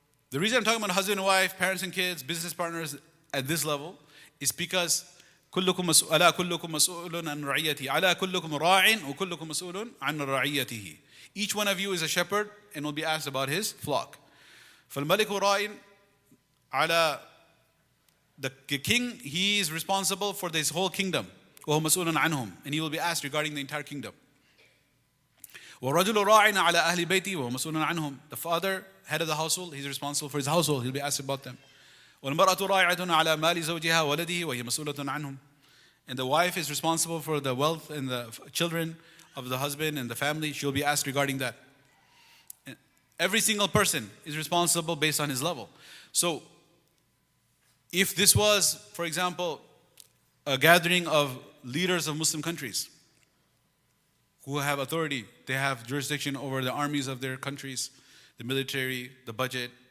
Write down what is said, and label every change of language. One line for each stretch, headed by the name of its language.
English: The reason I'm talking about husband and wife, parents and kids, business partners at this level is because
Arabic: كلكم مسؤول, على كلكم مسؤول عن رعيته, على كلكم راع وكلكم مسؤول عن رعيته.
English: Each one of you is a shepherd and will be asked about his flock.
Arabic: فالملك راع على
English: The king, he is responsible for this whole kingdom.
Arabic: وهو مسؤول عنهم.
English: And he will be asked regarding the entire kingdom.
Arabic: ورجل راعٍ على أهل بيتي وهو مسؤول عنهم.
English: The father, head of the household, he's responsible for his household. He'll be asked about them.
Arabic: والمرأة راعيةٌ على مال زوجها ولده وهي مسؤولة عنهم.
English: And the wife is responsible for the wealth and the children of the husband and the family. She'll be asked regarding that. Every single person is responsible based on his level. So, if this was, for example, a gathering of leaders of Muslim countries who have authority, they have jurisdiction over the armies of their countries, the military, the budget.